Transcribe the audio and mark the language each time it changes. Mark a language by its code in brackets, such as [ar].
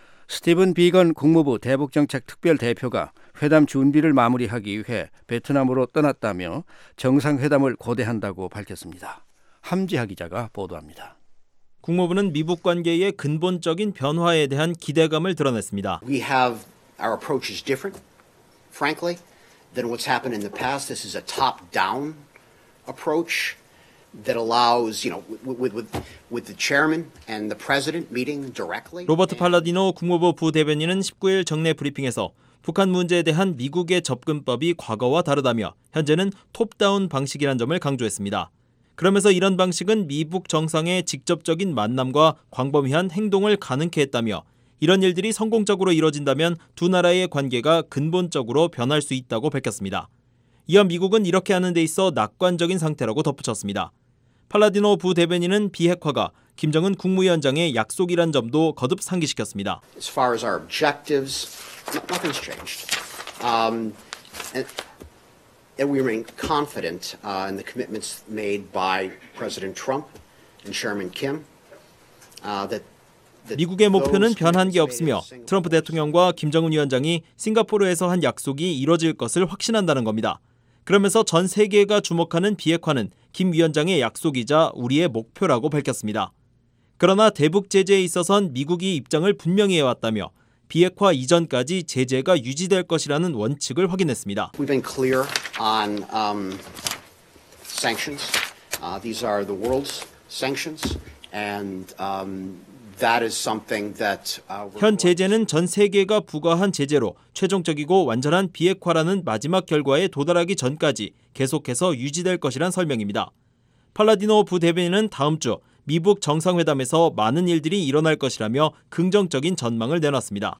[ko] 스티븐 비건 국무부 대북정책특별대표가 회담 준비를 마무리하기 위해 베트남으로 떠났다며 정상회담을 고대한다고 밝혔습니다. 함지하 기자가 보도합니다. 국무부는 미북 관계의 근본적인 변화에 대한 기대감을 드러냈습니다. [en] We have our approach is different, frankly, than what's happened in the past. This is a top-down approach that allows, you know, with the chairman and the president meeting directly. [ko] 로버트 팔라디노 국무부 부대변인은 19일 정례 브리핑에서 북한 문제에 대한 미국의 접근법이 과거와 다르다며 현재는 톱다운 방식이란 점을 강조했습니다. 그러면서 이런 방식은 미북 정상의 직접적인 만남과 광범위한 행동을 가능케 했다며 이런 일들이 성공적으로 이뤄진다면 두 나라의 관계가 근본적으로 변할 수 있다고 밝혔습니다. 이어 미국은 이렇게 하는 데 있어 낙관적인 상태라고 덧붙였습니다. 팔라디노 부대변인은 비핵화가 김정은 국무위원장의 약속이란 점도 거듭 상기시켰습니다. [en] As far as our objectives, nothing's changed. And we remain confident in the commitments made by President Trump and Chairman Kim. [ko] 미국의 목표는 변한 게 없으며 트럼프 대통령과 김정은 위원장이 싱가포르에서 한 약속이 이뤄질 것을 확신한다는 겁니다. 그러면서 전 세계가 주목하는 비핵화는 김 위원장의 약속이자 우리의 목표라고 밝혔습니다. 그러나 대북 제재에 있어선 미국이 입장을 분명히 해왔다며 비핵화 이전까지 제재가 유지될 것이라는 원칙을 확인했습니다. [en] We've been clear on sanctions. These are the world's sanctions and that is something that [ko] 현 제재는 전 세계가 부과한 제재로 최종적이고 완전한 비핵화라는 마지막 결과에 도달하기 전까지 계속해서 유지될 것이란 설명입니다. 팔라디노 부대변인은 다음 주 미북 정상회담에서 많은 일들이 일어날 것이라며 긍정적인 전망을 내놨습니다.